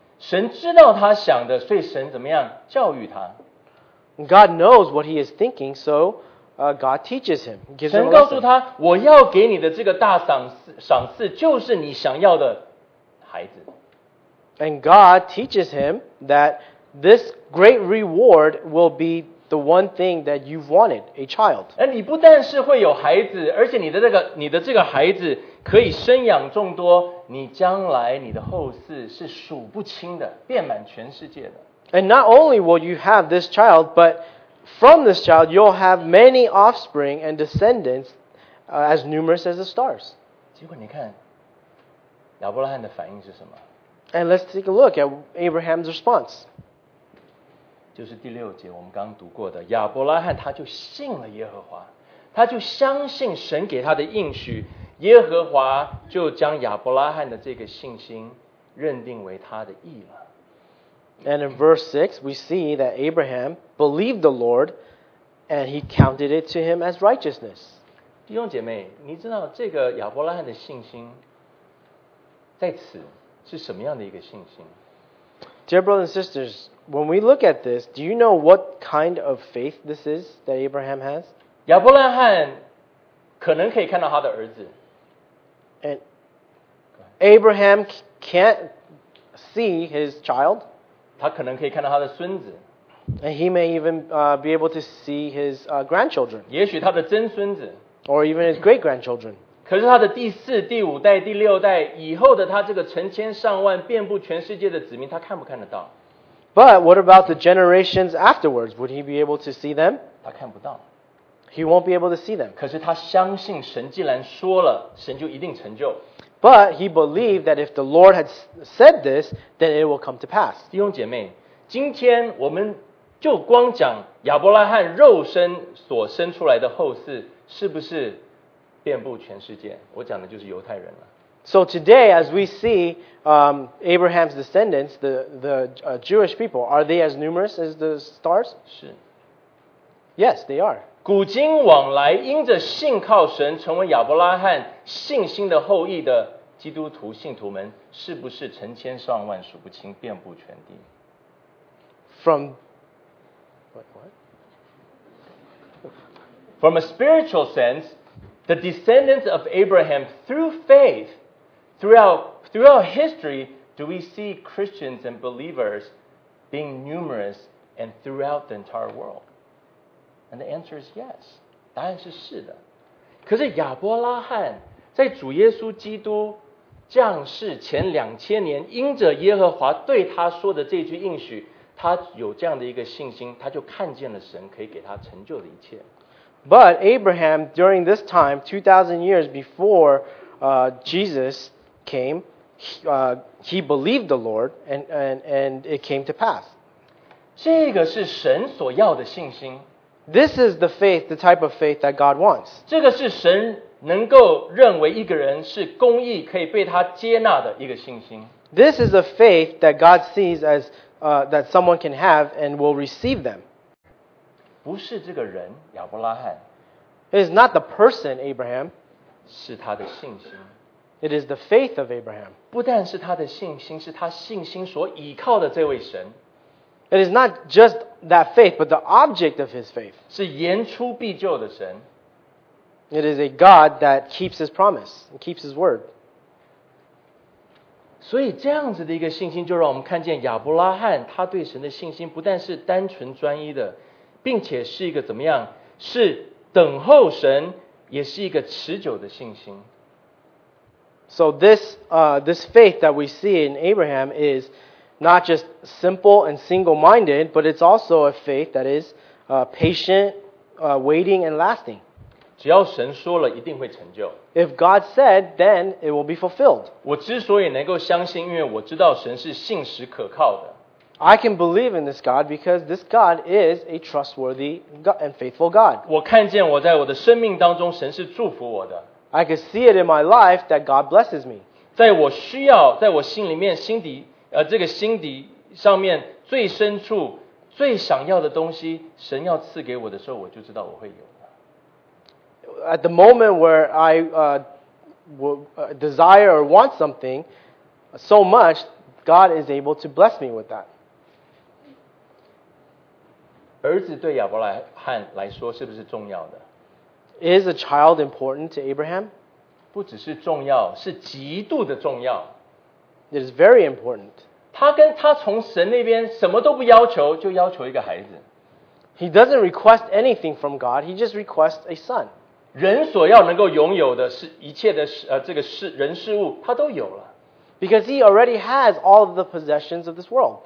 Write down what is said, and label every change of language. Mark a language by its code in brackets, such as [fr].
[zh] 神知道他想的，所以神怎么样教育他。 [en] God knows what he is thinking, so God teaches him. Gives [zh] 神告诉他，我要给你的这个大赏赐就是你想要的孩子。 [en] And God teaches him that this great reward will be the one thing that you've wanted, a child. And [zh] 你不但是会有孩子，而且你的这个孩子可以生养众多，你将来你的后嗣是数不清的，遍满全世界的。 [en] And not only will you have this child, but from this child, you'll have many offspring and descendants as numerous as the stars. [zh] 结果你看，亚伯拉罕的反应是什么？ [en] And let's take a look at Abraham's response. [zh] 就是第六节我们刚读过的，亚伯拉罕他就信了耶和华，他就相信神给他的应许，耶和华就将亚伯拉罕的这个信心认定为他的义了。 [en] And in verse 6, we see that Abraham believed the Lord, and he counted it to him as righteousness. [zh] 弟兄姐妹，你知道这个亚伯拉罕的信心在此是什么样的一个信心？ [en] Dear brothers and sisters, when we look at this, do you know what kind of faith this is that Abraham has? [zh] 亚伯拉罕可能可以看到他的儿子。 [en] And Abraham can't see his child. [zh] 他可能可以看到他的孙子。 [en] And he may even be able to see his grandchildren. [zh] 也许他的曾孙子。 [en] Or even his great-grandchildren. [zh] 可是他的第四、第五代、第六代以后的他这个成千上万遍布全世界的子民，他看不看得到？ [en] But what about the generations afterwards? Would he be able to see them? [zh] 他看不到。 [en] He won't be able to see them. [zh] 可是他相信神既然说了，神就一定成就。 [en] But he believed that if the Lord had said this, then it will come to pass. [zh] 弟兄姐妹，今天我们就光讲亚伯拉罕肉身所生出来的后嗣是不是遍布全世界？我讲的就是犹太人了。 [en] So today, as we see, Abraham's descendants, Jewish people, are they as numerous as the stars? [zh] 是。 [en] Yes, they are. [zh] 古今往来，因着信靠神，成为亚伯拉罕信心的后裔的基督徒信徒们，是不是成千上万，数不清，遍布全地 [en] ？From From a spiritual sense, the descendants of Abraham through faith, throughout history, do we see Christians and believers being numerous and throughout the entire world? And the answer is yes. [zh] 答案是是的。可是亚伯拉罕在主耶稣基督降世前两千年，因着耶和华对他说的这句应许，他有这样的一个信心，他就看见了神可以给他成就的一切。 [en] But Abraham, during this time, 2,000 years before Jesus came, he believed the Lord, and it came to pass. [zh] 这个是神所要的信心。 [en] This is the faith, the type of faith that God wants. [zh] 这个是神能够认为一个人是公义，可以被他接纳的一个信心。 [en] This is a faith that God sees as that someone can have and will receive them. [zh] 不是这个人亚伯拉罕 [en] It is not the person Abraham [zh] 是他的信心 [en] It is the faith of Abraham [zh] 不但是他的信心是他信心所倚靠的这位神 [en] It is not just that faith but the object of his faith [zh] 是言出必就的神 [en] It is a God that keeps his promise and keeps his word [zh] 所以这样子的一个信心就让我们看见亚伯拉罕他对神的信心不但是单纯专一的并且是一个怎么样？是等候神，也是一个持久的信心。 [en] So this faith that we see in Abraham is not just simple and single-minded, but it's also a faith that is patient, waiting, and lasting. [zh] 只要神说了，一定会成就。 [en] If God said, then it will be fulfilled. [zh] 我之所以能够相信，因为我知道神是信实可靠的。 [en] I can believe in this God because this God is a trustworthy and faithful God. [zh] 我看见我在我的生命当中神是祝福我的。 [en] I can see it in my life that God blesses me. [zh] 在我需要在我心里面心底这个心底上面最深处最想要的东西神要赐给我的时候我就知道我会有。 [en] At the moment where I desire or want something so much, God is able to bless me with that. [zh] 儿子对亚伯拉罕来说是不是重要的 [en] ？Is a child important to Abraham？ [zh] 不只是重要，是极度的重要。 [en] It is very important。 [zh] 他跟他从神那边什么都不要求，就要求一个孩子。 [en] He doesn't request anything from God. He just requests a son. [zh] 人所要能够拥有的是一切的这个事人事物，他都有了。 [en] Because he already has all of the possessions of this world.